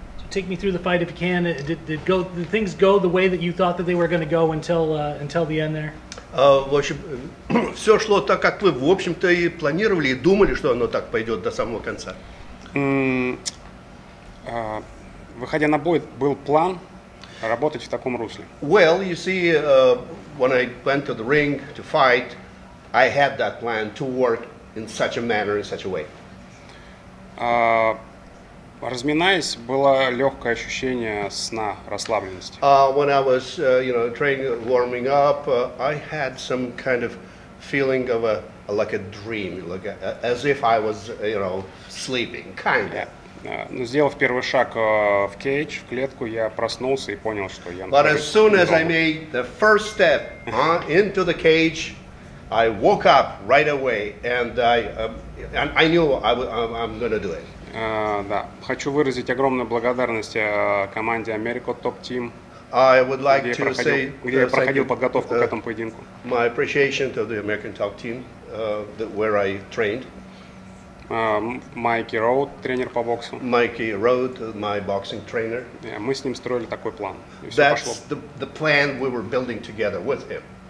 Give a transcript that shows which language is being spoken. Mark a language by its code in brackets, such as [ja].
[en] take me through the fight if you can. Did things go the way that you thought that they were going to go until the end there? [ru] В общем, все шло так, как вы, в общем-то, и планировали, и думали, что оно так пойдет до самого конца. Выходя на бой, был план работать в таком русле. [en] Well, you see, when I went to the ring to fight, I had that plan to work in such a manner, in such a way. [ru] Разминаясь, было легкое ощущение сна, расслабленности. [en] When I was, you know, training, warming up, I had some kind of feeling of a like a dream, like as if I was, you know, sleeping, kind of. Yeah. [ru] Но сделав первый шаг в кейдж, в клетку, я проснулся и понял, что я. [en] But as soon as I made the first step into the cage, I woke up right away and I knew I'm gonna do it. [ru] Да. Хочу выразить огромную благодарность команде Америко Топ Тим, где я проходил подготовку к этому поединку. [en] My appreciation to the American Top Team, where I trained. [ru] Майки Роуд, тренер по боксу. [en] Майки Роуд, my boxing trainer. Yeah, [ru] мы с ним строили такой план. [en] That's [ru] пошло. [en] The plan we were building together with him.